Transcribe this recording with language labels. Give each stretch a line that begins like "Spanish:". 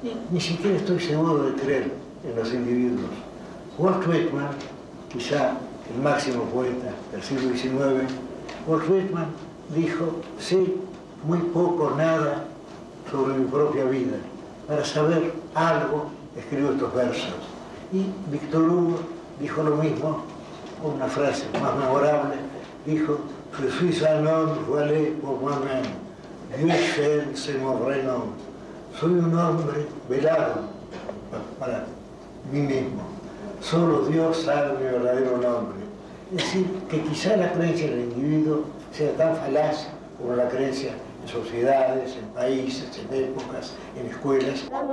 Spanish: Ni siquiera estoy seguro de creer en los individuos. Walt Whitman, quizá el máximo poeta del siglo XIX, Walt Whitman dijo, sé muy poco nada sobre mi propia vida. Para saber algo, escribo estos versos. Y Víctor Hugo dijo lo mismo, con una frase más memorable, dijo,
French: je suis un homme voilé pour moi-même, Michel c'est mon vrai nom.
Spanish: Soy un hombre velado para mí mismo. Solo Dios sabe mi verdadero nombre. Es decir, que quizá la creencia del individuo sea tan falaz como la creencia en sociedades, en países, en épocas, en escuelas.